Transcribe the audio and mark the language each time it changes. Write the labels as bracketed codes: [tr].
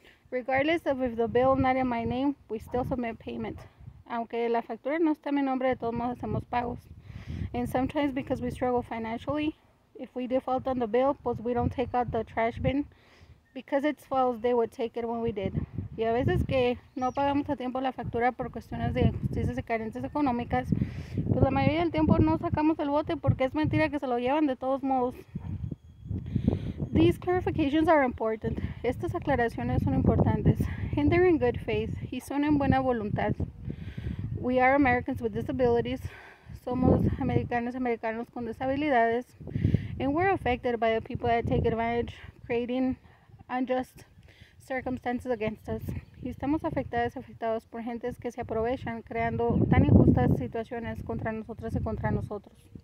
[en] Regardless of if the bill not in my name, we still submit payment. [es] Aunque la factura no está en mi nombre, de todos modos hacemos pagos. [en] And sometimes because we struggle financially, if we default on the bill, pues we don't take out the trash bin. Because it's false, they would take it when we did. [es] Y a veces que no pagamos a tiempo la factura por cuestiones de injusticias y carencias económicas, pues la mayoría del tiempo no sacamos el bote porque es mentira que se lo llevan de todos modos. [en] These clarifications are important. [es] Estas aclaraciones son importantes. [en] And they're in good faith. [es] Y son en buena voluntad. [en] We are Americans with disabilities. [es] Somos americanos, americanos con disabilidades. [en] And we're affected by the people that take advantage, creating unjust circumstances against us. [es] Y estamos afectadas, afectados por gentes que se aprovechan, creando tan injustas situaciones contra nosotras y contra nosotros.